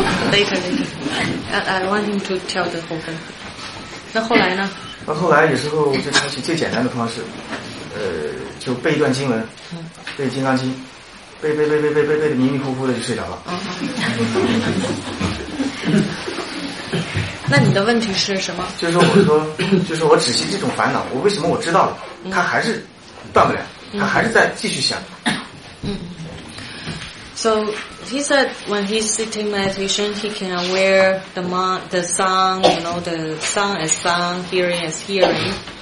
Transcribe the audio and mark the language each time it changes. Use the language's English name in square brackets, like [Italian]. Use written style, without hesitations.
[English] Later, I want him to tell the whole thing. [Chinese] 那后来呢？后来有时候就采取最简单的方式，就背一段经文，背《金刚经》，背的迷迷糊糊的就睡着了。那你的问题是什么？就是我止息这种烦恼，我为什么我知道了，它还是断不了，它还是在继续想。 [English] So he said when he's sitting meditation, he can aware the sound, you know, the sound as sound, hearing as hearing.